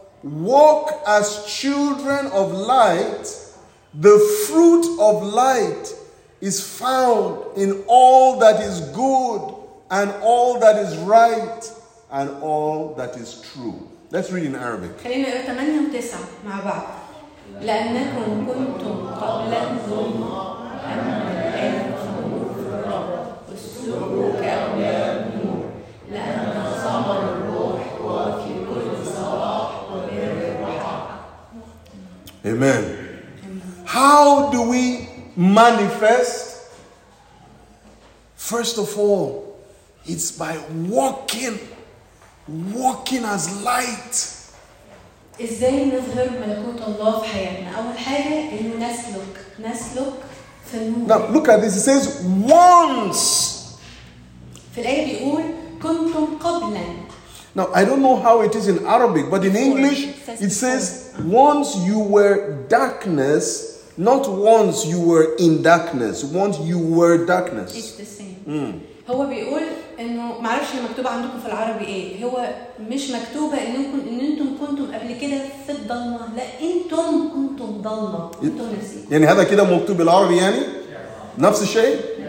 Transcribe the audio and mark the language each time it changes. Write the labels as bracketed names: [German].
[English] Walk as children of light. The fruit of light is found in all that is good and all that is right and all that is true. Let's read in Arabic. [Arabic] خلينا نقرا 8 و9 مع بعض. لأنكم كنتم قبلا ظلما أما الآن فنور في الرب والسلوك أولياء النور لأن ثمر الروح هو في كل صلاح وبر وحق. [English] Amen. How do we manifest? First of all, it's by walking. Walking as light. [Arabic] ازاي نظهر ملكوت الله في حياتنا؟ اول حاجه انه نسلك في النور. [English] Now look at this. It says once. [Arabic] في الايه بيقول كنتم قبلا. [English] Now I don't know how it is in Arabic, but in English it says once you were darkness, not once you were in darkness. Once you were darkness. It's the same. [Arabic] هو بيقول انه ما اعرفش مكتوبه عندكم في العربي ايه. هو مش مكتوبه انكم ان انتم كنتم قبل كده في الضلمه. لا انتم كنتم ضلمه انتم نفسكم. يعني هذا كده مكتوب بالعربي يعني نفس الشيء.